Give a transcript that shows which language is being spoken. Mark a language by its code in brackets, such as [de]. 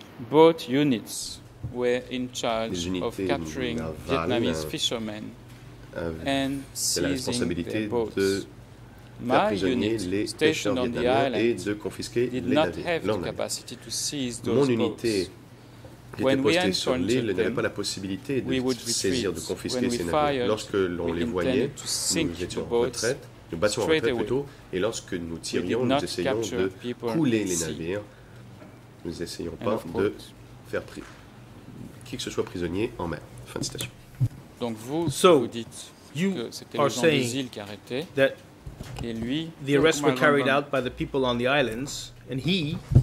[en] both units were in charge of capturing Vietnamese fishermen and seizing their boats. My unit, stationed on the island, did not have the capacity to seize those [fr] mon [en] boats. [fr] Qui était posté sur l'île n'avait pas la possibilité de saisir, de confisquer ces navires. Lorsque l'on les voyait, nous étions en retraite, nous battions en retraite plutôt, et lorsque nous tirions, nous essayions de couler les navires. Nous n'essayons pas de faire qui que ce soit prisonnier en mer. Fin de citation. Donc vous dites que c'était les gens des îles qui arrêtaient, et lui, [en] the arrests were carried out by the people on the islands, and he.